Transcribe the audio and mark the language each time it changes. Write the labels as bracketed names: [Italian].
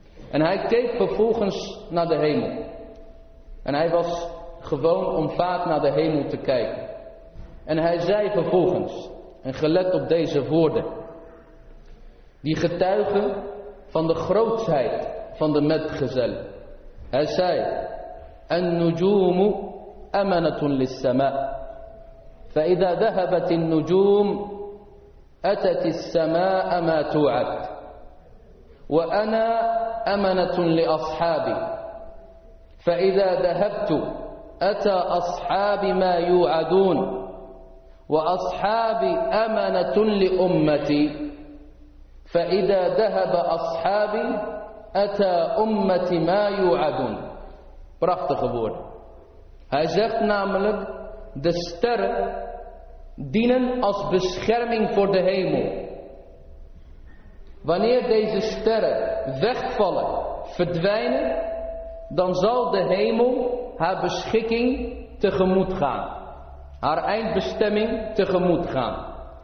[Dutch] En hij keek vervolgens naar de hemel. En hij was gewoon om vaak naar de hemel te kijken. En hij zei vervolgens, en gelet op deze woorden: die getuigen van de grootsheid van de metgezellen. Hij zei: [Arabic] en nujumu amanatun lissama, fa idha dhahabat in nujum أتت السماء ما توعد وأنا أمنة لأصحابي فإذا ذهبت أتى أصحابي ما يوعدون وأصحابي أمنة لأمتي فإذا ذهب أصحابي أتى أمتي ما يوعدون. [Dutch] Prachtig woord. Hij zegt namelijk: de sterren dienen als bescherming voor de hemel. Wanneer deze sterren wegvallen, verdwijnen, dan zal de hemel haar beschikking tegemoet gaan, haar eindbestemming tegemoet gaan.